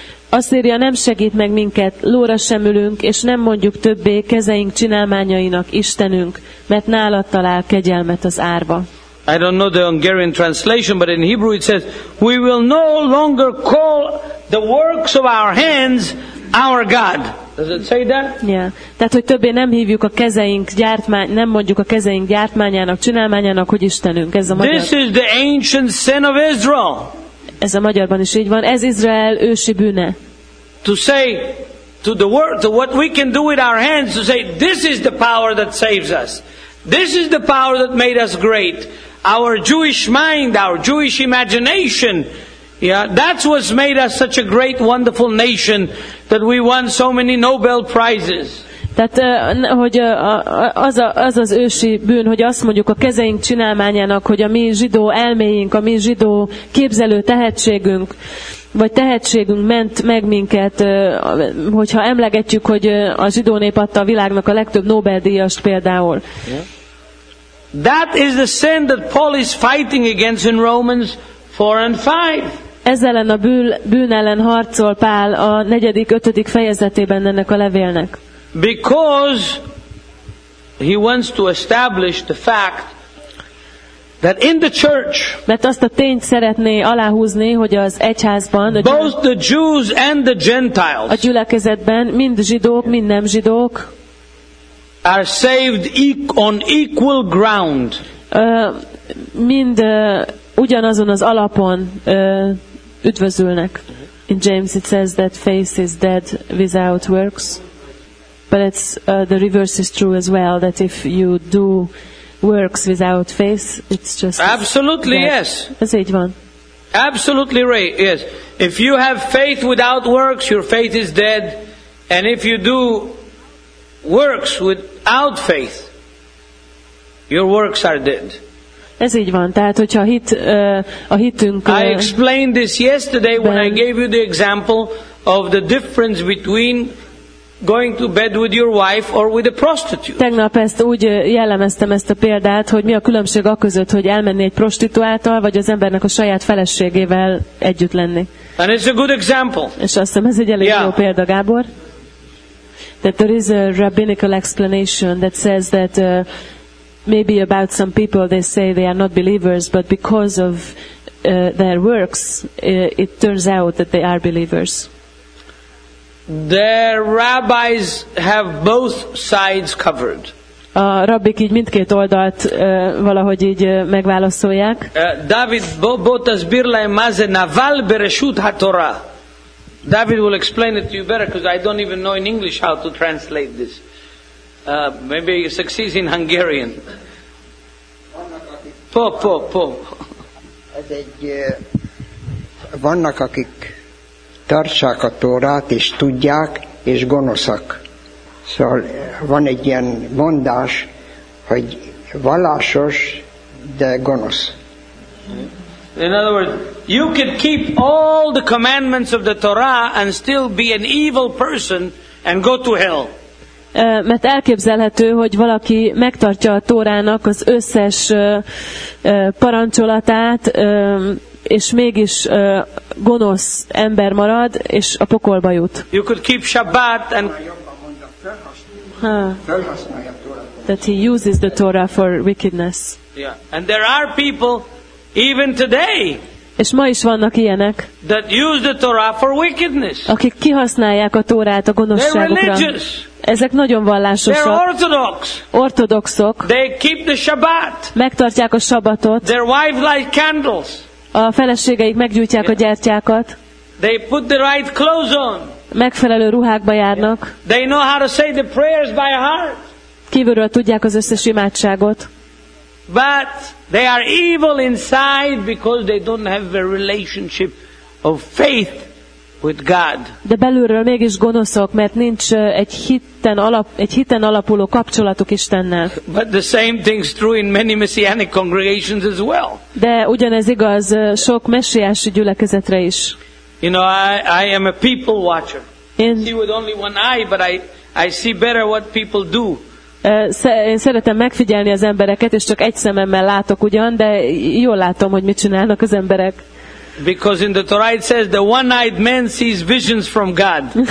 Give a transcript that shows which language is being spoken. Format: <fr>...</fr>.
<hu>Asszíria nem segít meg minket, lóra sem ülünk, és nem mondjuk többé kezeink csinálmányainak Istenünk, mert nálad talál kegyelmet az árva.</hu> <en>I don't know the Hungarian translation, but in Hebrew it says, we will no longer call the works of our hands our God. Does it say that? Yeah.</en> <hu>Tehát, hogy többé nem hívjuk a kezeink gyártmány, nem mondjuk a kezeink gyártmányának, csinálmányának, hogy Istenünk. Ez a magyar.</hu> <en>This is the ancient sin of Israel.</en> <hu>Ez a magyarban is így van. Ez Izrael ősi bűne.</hu> <en>To say to the world, to what we can do with our hands, to say, this is the power that saves us. This is the power that made us great. Our Jewish mind, our Jewish imagination. Yeah, that's what's made us such a great, wonderful nation that we won so many Nobel prizes.</en> <hu>Tehát, hogy az az ősi bűn, hogy azt mondjuk a kezeink csinálmányának, hogy a mi zsidó elméink, a mi zsidó képzelő tehetségünk, vagy tehetségünk ment meg minket, hogyha emlegetjük, hogy a zsidó nép adta a világnak a legtöbb Nobel-díjast például.</hu> <en>Yeah. That is the sin that Paul is fighting against in Romans 4 and 5.</en> <hu>Ez ellen a bűn ellen harcol Pál a negyedik, ötödik fejezetében ennek a levélnek.</hu> <en>Because he wants to establish the fact that in the church,</en> <hu>mert azt a tényt szeretné aláhúzni, hogy az egyházban,</hu> <en>both the Jews and the Gentiles,</en> <hu>a gyülekezetben mind zsidók, mind nem zsidók,</hu> <en>are saved on equal ground.</en> <hu>Mind ugyanazon az alapon üdvözülnek.</hu> <en>In James it says that faith is dead without works. But it's the reverse is true as well, that if you do works without faith, it's just absolutely dead. Yes.</en> <hu>Ez így van.</hu> <en>Absolutely right. Yes. If you have faith without works, your faith is dead. And if you do works without faith, your works are dead.</en> <hu>Ez így van. Tehát, hogyha a hitünk.</hu> <en>I explained this yesterday when I gave you the example of the difference between going to bed with your wife or with a prostitute.</en> <hu>Tegnap ezt úgy jellemeztem ezt a példát, hogy mi a különbség a között, hogy elmenni egy prostituáltal, vagy az embernek a saját feleségével együtt lenni.</hu> <en>And it's a good example.</en> <hu>És azt hiszem, ez egy elég jó példa, Gábor.</hu> <en>That there is a rabbinical explanation that says that maybe about some people they say they are not believers, but because of their works, it turns out that they are believers. Their rabbis have both sides covered.</en> <hu>A rabbik így mindkét oldalt valahogy így megválaszolják.</hu> <he>David botas birla maze naval bereshut haTorah.</he> <en>David will explain it to you better because I don't even know in English how to translate this. Maybe he succeeds in Hungarian.</en> <he>Po.</he> <hu>Ez egy vannak akik tartsák a Tórát, és tudják, és gonoszak. Szóval van egy ilyen mondás, hogy vallásos, de gonosz.</hu> <en>In other words, you can keep all the commandments of the Torah and still be an evil person and go to hell.</en> <hu>Mert elképzelhető, hogy valaki megtartja a Tórának az összes parancsolatát, és mégis gonosz ember marad, és a pokolba jut.</hu> <en>You could keep Shabbat and... That he uses the Torah for wickedness. Yeah. And there are people, even today,</en> <hu>és ma is vannak ilyenek,</hu> <en>that use the Torah for wickedness.</en> <hu>Akik kihasználják a Tórát a gonoszságukra. Ezek nagyon vallásosak.</hu> <en>They're orthodox.</en> <hu>Ortodoxok.</hu> <en>They keep the Shabbat.</en> <hu>Megtartják a Shabbatot.</hu> <en>Their wives light candles.</en> <hu>A feleségeik meggyújtják a gyertyákat.</hu> <en>They put the right clothes on.</en> <hu>Megfelelő ruhákba járnak.</hu> <en>They know how to say the prayers by heart.</en> <hu>Kívülről tudják az összes imádságot.</hu> <en>But they are evil inside because they don't have a relationship of faith with God.</en> <hu>De belülről mégis gonoszok, mert nincs egy hiten alapuló kapcsolatuk Istennel.</hu> <en>But the same thing's true in many messianic congregations as well.</en> <hu>De ugyanez igaz sok messiási gyülekezetre is.</hu> <en>You know, I am a people watcher. I see with only one eye, but I see better what people do.</en> <hu>Én szeretem megfigyelni az embereket, és csak egy szememmel látok ugyan, de jól látom, hogy mit csinálnak az emberek.</hu> <en>Because in the Torah it says the one-eyed man sees visions from God.</en>